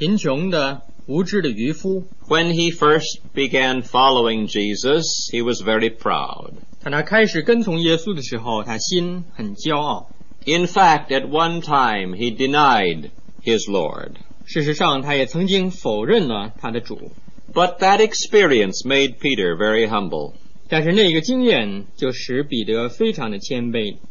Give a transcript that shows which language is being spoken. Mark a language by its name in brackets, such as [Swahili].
[Chinese] 你还记得他本来是一个贫穷的无知的渔夫。 [English] When he first began following Jesus, he was very proud. [Chinese] 当他开始跟从耶稣的时候，他心很骄傲。 [English] In fact, at one time, he denied his Lord. [Chinese] 事实上，他也曾经否认了他的主。 [English] But that experience made Peter very humble. [Chinese] 但是那个经验就使彼得非常的谦卑。